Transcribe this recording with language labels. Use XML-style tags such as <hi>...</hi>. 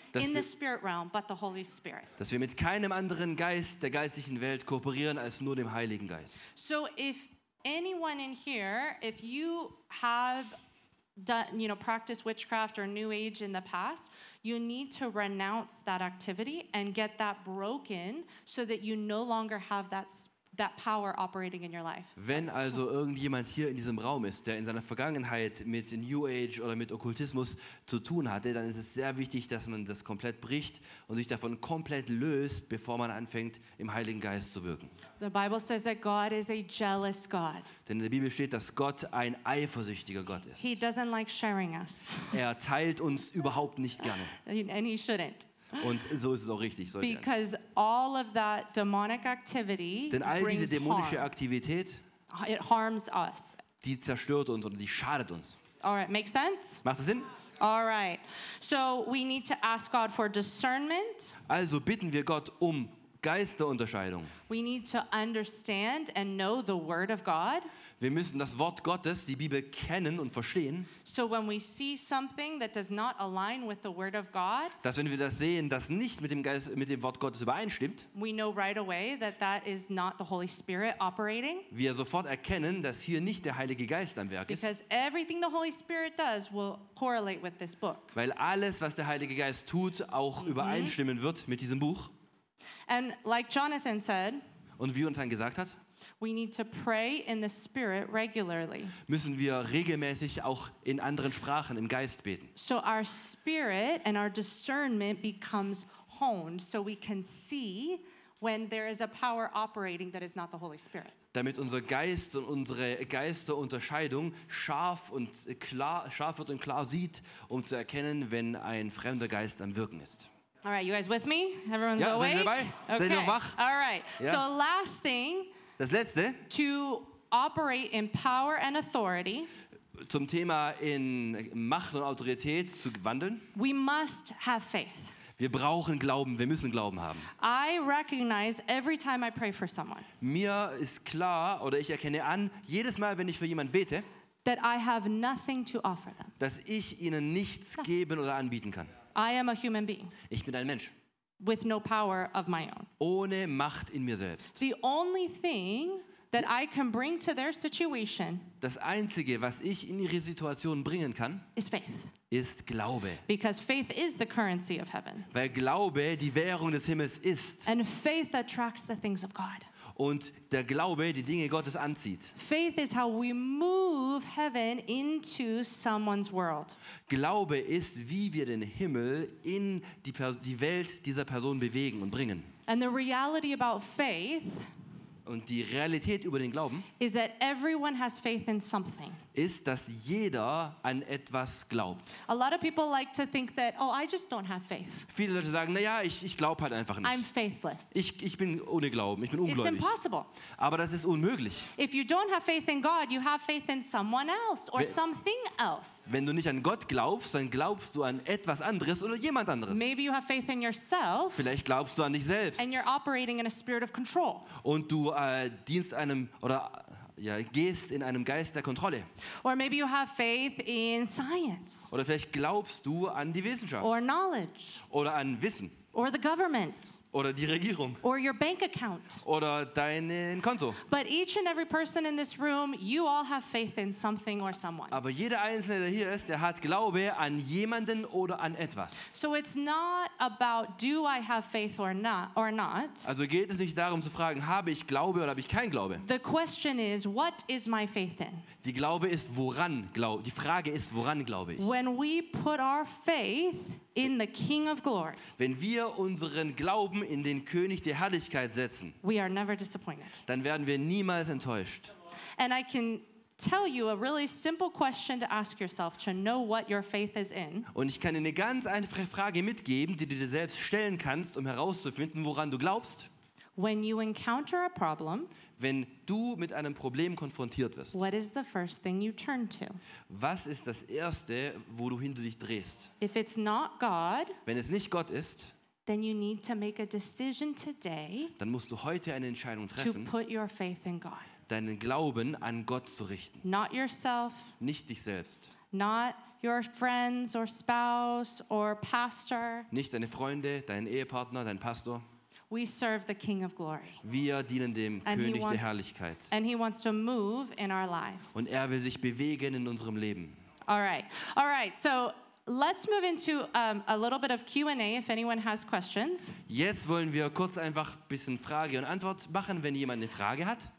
<en>In the spirit realm, but the Holy Spirit.</en> <de>Dass wir mit keinem anderen Geist der geistlichen Welt kooperieren als nur dem Heiligen Geist.</de> <en>So if anyone in here, if you have done, you know, practiced witchcraft or New Age in the past, you need to renounce that activity and get that broken so that you no longer have that power operating in your life.</en> <de>Wenn also irgendjemand hier in diesem Raum ist, der in seiner Vergangenheit mit New Age oder mit Okkultismus zu tun hatte, dann ist es sehr wichtig, dass man das komplett bricht und sich davon komplett löst, bevor man anfängt, im Heiligen Geist zu wirken.</de> <en>The Bible says that God is a jealous God.</en> <de>Denn in der Bibel steht, dass Gott ein eifersüchtiger Gott ist.</de> <en>He doesn't like sharing us.</en> <de>Er teilt uns überhaupt nicht gerne.</de> <en>And he shouldn't.</en> <de>Und so ist es auch richtig.</de> <en>Because all of that demonic activity</en> <de>denn all diese dämonische Aktivität,</de> <en>it harms us.</en> <de>Die zerstört uns und die schadet uns.</de> <en>All right, makes sense?</en> <de>Macht das Sinn?</de> <en>All right. So we need to ask God for discernment.</en> <de>Also bitten wir Gott um Geisterunterscheidung.</de> <en>We need to understand and know the word of God.</en> <de>Wir müssen das Wort Gottes, die Bibel, kennen und verstehen.</de> <en>So when we see something that does not align with the word of God,</en> <de>dass wenn wir das sehen, das nicht mit dem Wort Gottes übereinstimmt,</de> <en>we know right away that that is not the Holy Spirit operating.</en> <de>Wir sofort erkennen, dass hier nicht der Heilige Geist am Werk ist.</de> <en>Because everything the Holy Spirit does will correlate with this book.</en> <de>Weil alles, was der Heilige Geist tut, auch übereinstimmen wird mit diesem Buch.</de> <en>And like Jonathan said,</en> <de>und wie Jonathan gesagt hat,</de> <en>we need to pray in the spirit regularly.</en> <de>Müssen wir regelmäßig auch in anderen Sprachen im Geist beten.</de> <en>So our spirit and our discernment becomes honed, so we can see when there is a power operating that is not the Holy Spirit.</en> <de>Damit unser Geist und unsere Geisterunterscheidung scharf wird und klar sieht, um zu erkennen, wenn ein fremder Geist am Wirken ist.</de> <en>All right, you guys with me? Everyone's awake?</en> <de>Ja, seid ihr dabei? Okay. Seid ihr wach?</de> <en>All right. Ja. So last thing.</en> <de>Das letzte.</de> <en>To operate in power and authority.</en> <de>Zum Thema in Macht und Autorität zu wandeln.</de> <en>We must have faith.</en> <de>Wir brauchen Glauben. Wir müssen Glauben haben.</de> <en>I recognize every time I pray for someone.</en> <de>Mir ist klar, oder ich erkenne an, jedes Mal, wenn ich für jemanden bete,</de> <en>that I have nothing to offer them.</en> <de>Dass ich ihnen nichts geben oder anbieten kann.</de> <en>I am a human being.</en> <de>Ich bin ein Mensch.</de> <en>With no power of my own.</en> <de>Ohne Macht in mir selbst.</de> <en>The only thing that I can bring to their situation.</en> <de>Das einzige, was ich in ihre Situation bringen kann,</de> <en>is faith.</en> <de>Ist Glaube.</de> <en>Because faith is the currency of heaven.</en> <de>Weil Glaube die Währung des Himmels ist.</de> <en>And faith attracts the things of God.</en> <de>Und der Glaube die Dinge Gottes anzieht.</de> <en>Faith is how we move heaven into someone's world.</en> <de>Glaube ist, wie wir den Himmel in die Welt dieser Person bewegen und bringen.</de> <en>And the reality about faith,</en> <de>und die Realität über den Glauben,</de> <en>is that everyone has faith in something.</en> <de>Ist, dass jeder an etwas glaubt.</de> <en>A lot of people like to think that, oh, I just don't have faith.</en> <de>Viele Leute sagen, naja, ich glaube halt einfach nicht.</de> <en>I'm faithless.</en> <de>Ich bin ohne Glauben, ich bin ungläubig.</de> <en>It's impossible.</en> <de>Aber das ist unmöglich.</de> <en>If you don't have faith in God, you have faith in someone else or something else.</en> <de>Wenn du nicht an Gott glaubst, dann glaubst du an etwas anderes oder jemand anderes.</de> <en>Maybe you have faith in yourself.</en> <de>Vielleicht glaubst du an dich selbst.</de> <en>And you're operating in a spirit of control.</en> <de>Und du dienst einem oder ja, gehst in einem Geist der Kontrolle.</de> <en>Or maybe you have faith in science.</en> <de>Oder vielleicht glaubst du an die Wissenschaft.</de> <en>Or knowledge.</en> <de>Oder an Wissen.</de> <en>Or the government.</en> <de>Oder die Regierung.</de> <en>Or your bank account.</en> <de>Oder dein Konto.</de> <en>But each and every person in this room, you all have faith in something or someone.</en> <de>Aber jeder Einzelne, der hier ist, der hat Glaube an jemanden oder an etwas.</de> <en>So it's not about do I have faith or not.</en> <de>Also geht es nicht darum zu fragen, habe ich Glaube oder habe ich kein Glaube.</de> <en>The question is, what is my faith in?</en> <de>Die Glaube ist woran glaube. Die Frage ist, woran glaube ich?</de> <en>When we put our faith in the King of Glory.</en> <de>Wenn wir unseren Glauben in den König der Herrlichkeit setzen,</de> <en>we are never disappointed.</en> <de>Dann werden wir niemals enttäuscht.</de> <en>And I can tell you a really simple question to ask yourself to know what your faith is in.</en> <de>Und ich kann dir eine ganz einfache Frage mitgeben, die du dir selbst stellen kannst, um herauszufinden, woran du glaubst.</de> <en>When you encounter a problem,</en> <de>wenn du mit einem Problem konfrontiert wirst,</de> <en>what is the first thing you turn to?</en> <de>Was ist das Erste, wohin du dich drehst?</de> <en>If it's not God,</en> <de>wenn es nicht Gott ist,</de> <en>then you need to make a decision today,</en> <de>dann musst du heute eine Entscheidung treffen,</de> <en>to put your faith in God.</en> <de>Deinen Glauben an Gott zu richten.</de> <en>Not yourself,</en> <de>nicht dich selbst.</de> <en>Not your friends or spouse or pastor.</en> <de>Nicht deine Freunde, deinen Ehepartner, deinen Pastor.</de> <en>We serve the King of Glory.</en> <de>Wir dienen dem König der Herrlichkeit.</de> <en>And he wants to move in our lives.</en> <de>Und er will sich bewegen in unserem Leben.</de> <en>All right. So let's move into a little bit of Q&A if anyone has questions.</en> <de>Jetzt wollen wir kurz einfach bisschen Frage und Antwort machen, wenn jemand eine Frage hat.</de>